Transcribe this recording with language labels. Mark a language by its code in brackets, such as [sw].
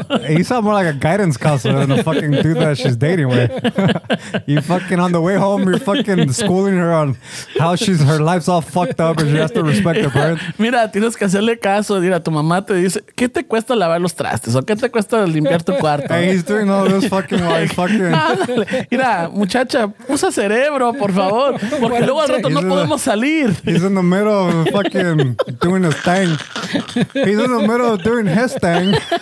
[en] He sounds more like a guidance counselor than a fucking dude that she's dating with. You fucking on the way home, you're fucking schooling her on how she's, her life's all fucked up and she has to respect her parents. [es] Mira, tienes que hacerle caso. Mira, tu mamá te dice, ¿qué te cuesta lavar los trastes? ¿O qué te cuesta limpiar tu cuarto? [en] And he's doing all this fucking while he's fucking. [es] Mira, muchachos. Usa cerebro, por favor. Porque luego al rato no podemos salir. [en] He's in the middle of fucking doing his thing. He's in the middle of doing his thing.